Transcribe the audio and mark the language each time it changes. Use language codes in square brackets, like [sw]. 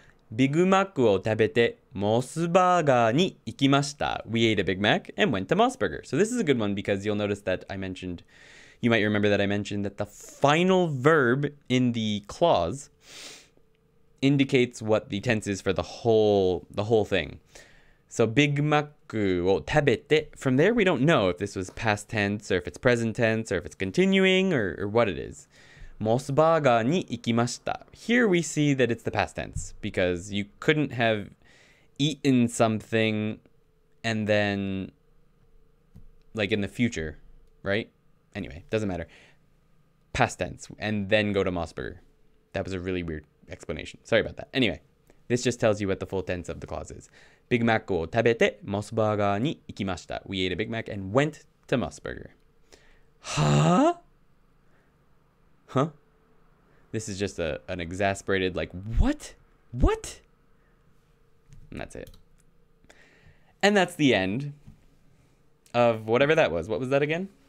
[ja] ビッグマックを食べてモスバーガーに行きました。 [en] We ate a Big Mac and went to Mos Burger. So this is a good one because you'll notice that I mentioned, you might remember that I mentioned that the final verb in the clause indicates what the tense is for the whole thing. So [ja] Big Macu を食べて, [en] from there we don't know if this was past tense or if it's present tense or if it's continuing or what it is. [ja] モスバーガーに行きました。 [en] Here we see that it's the past tense because you couldn't have eaten something and then like in the future, right? Anyway, doesn't matter. Past tense and then go to Mos Burger. That was a really weird explanation. Sorry about that. Anyway, this just tells you what the full tense of the clause is. [ja] ビッグマックを食べてモスバーガーに行きました。 [en] We ate a Big Mac and went to Mos Burger. はぁ? This is just an exasperated, like, what? And that's it. And that's the end of whatever that was. What was that again?